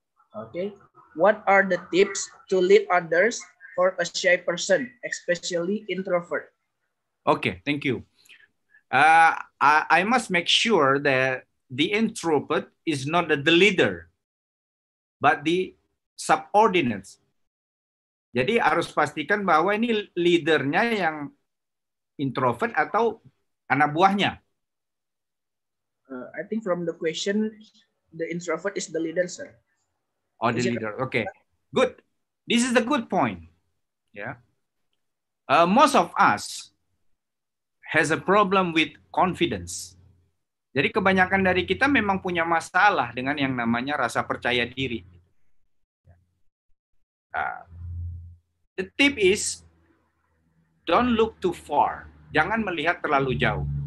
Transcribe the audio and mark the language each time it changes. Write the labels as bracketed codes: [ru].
[en] Okay, what are the tips to lead others for a shy person, especially introvert? Okay, thank you. I must make sure that the introvert is not the leader, but the subordinates. [id] Jadi harus pastikan bahwa ini leadernya yang introvert atau anak buahnya. [en] I think from the question, the introvert is the leader, sir. Oh, the leader. Okay, good. This is a good point. Yeah. Most of us has a problem with confidence. [id] Jadi kebanyakan dari kita memang punya masalah dengan yang namanya rasa percaya diri. [en] The tip is, don't look too far. [id] Jangan melihat terlalu jauh.